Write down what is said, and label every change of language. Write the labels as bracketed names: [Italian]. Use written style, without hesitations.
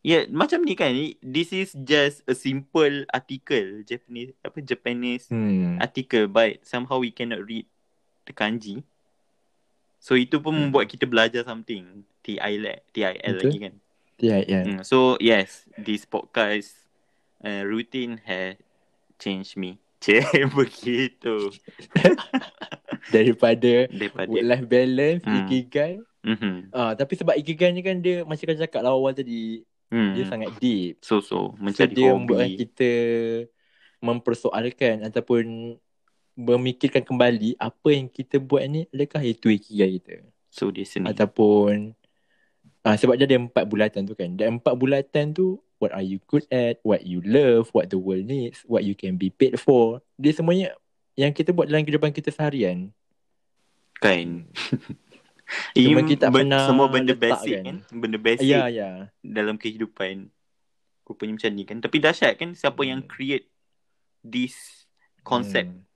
[Malay] Macam ni kan, [English] this is just a simple article, Japanese article, but somehow we cannot read the kanji. [Malay] So itu pun membuat kita belajar [English] something. [Malay] TIL lagi kan. [English] So yes, this podcast routine has changed me. [Malay] Begitu. Daripada work-life balance, ikigai. Tapi sebab ikigai ni kan dia macam kau cakap lah awal tadi, dia sangat deep. So mencari hobi. So dia membuat kita mempersoalkan ataupun memikirkan kembali apa yang kita buat ni, adakah itu ikigai kita? So di sini. Ataupun sebab dia ada empat bulatan tu kan. Dan empat bulatan tu, [English] what are you good at, what you love, what the world needs, what you can be paid for. [Malay] Dia semuanya yang kita buat dalam kehidupan kita seharian. Kan. Cuma kita pernah semua benda letak, basic kan. Benda basic dalam kehidupan. Rupanya macam ni kan. Tapi dahsyat kan siapa yang [English] create this concept.